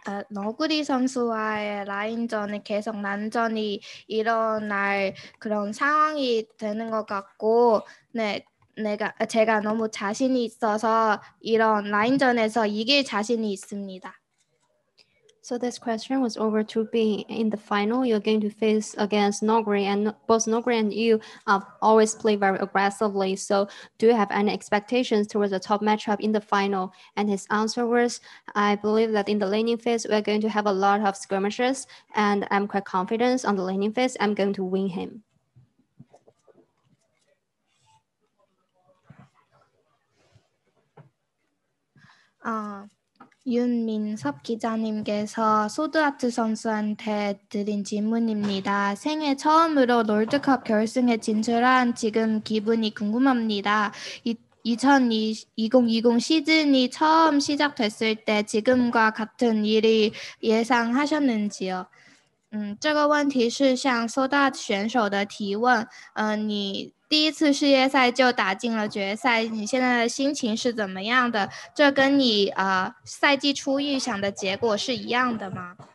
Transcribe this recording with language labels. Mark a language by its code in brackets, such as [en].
[ko] 너구리 선수와의 라인전이 계속 난전이 일어날 그런 상황이 되는 것 같고, 네, 제가 너무 자신이 있어서 이런 라인전에서 이길 자신이 있습니다. [en] So this question was over to be in the final. You're going to face against Nogri, and both Nogri and you always play very aggressively. So do you have any expectations towards the top matchup in the final? And his answer was, I believe that in the laning phase, we're going to have a lot of skirmishes, and I'm quite confident on the laning phase, I'm going to win him. [ko] 윤민섭 기자님께서 소드아트 선수한테 드린 질문입니다. 생애 처음으로 롤드컵 결승에 진출한 지금 기분이 궁금합니다. 2020 시즌이 처음 시작됐을 때 지금과 같은 일이 예상하셨는지요? [zh] 这个问题是向 SODA 选手的提问。你第一次世界赛就打进了决赛，你现在的心情是怎么样的？这跟你赛季初预想的结果是一样的吗？